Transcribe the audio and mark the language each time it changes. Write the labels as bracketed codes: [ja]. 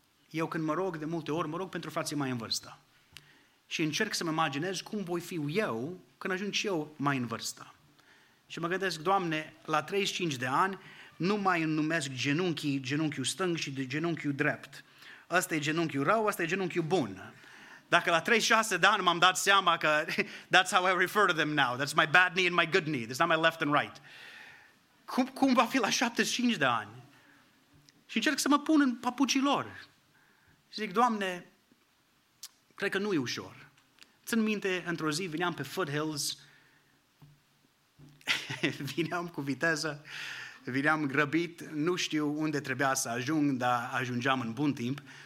[ro] Eu când mă rog de multe ori, mă rog pentru frații mai în vârstă. Și încerc să-mi imaginez cum voi fi eu când ajung și eu mai în vârstă. Și mă gândesc, Doamne, la 35 de ani nu mai numesc genunchiul stâng și genunchiul drept. Ăsta e genunchiul rău, ăsta e genunchiul bun. Dacă la 36 de ani m-am dat seama că [en] that's how I refer to them now. That's my bad knee and my good knee. That's not my left and right. [ro] Cum va fi la 75 de ani? Și încerc să mă pun în papucii lor. Și zic, Doamne, cred că nu e ușor. Țin minte, într-o zi veneam pe Foothills, veneam cu viteză, veneam grăbit, nu știu unde trebuia să ajung, dar ajungeam în bun timp.